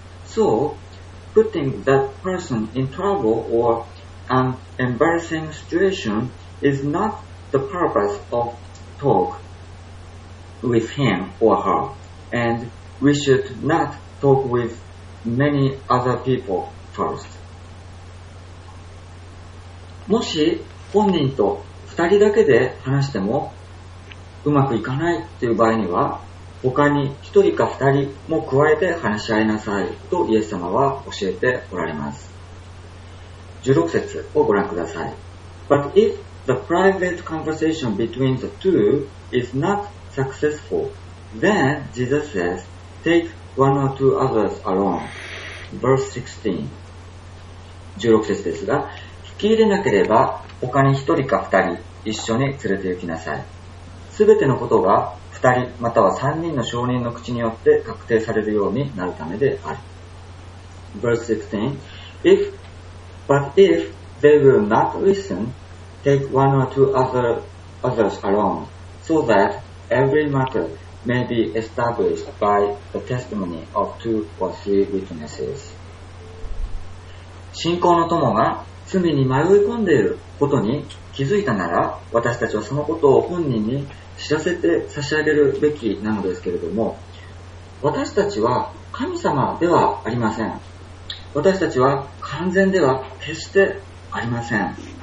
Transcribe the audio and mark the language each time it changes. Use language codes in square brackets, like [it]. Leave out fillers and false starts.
[en] So, putting that person in trouble or an embarrassing situation is not the purpose of talk with him or her. And we should not talk with many other people first. [ja] もし本人と二人だけで話してもうまくいかないという場合には、他に一人か二人も加えて話し合いなさいとイエス様は教えておられます。 16節をご覧ください。 [en] But if the private conversation between the two is not successful,Then Jesus says, take one or two others along. Verse 16. [ja] 16節ですが、引き入れなければ他に一人か二人一緒に連れて行きなさい。すべてのことが二人または三人の証人の口によって確定されるようになるためである。 [en] Verse 16. But if they will not listen, take one or two others along, so that every matterMay be established by the testimony of two or three witnesses. [ja] 信仰の友が罪に迷い込んでいることに気づいたなら、私たちはそのことを本人に知らせて差し上げるべきなのですけれども、私たちは神様ではありません。私たちは完全では決してありません。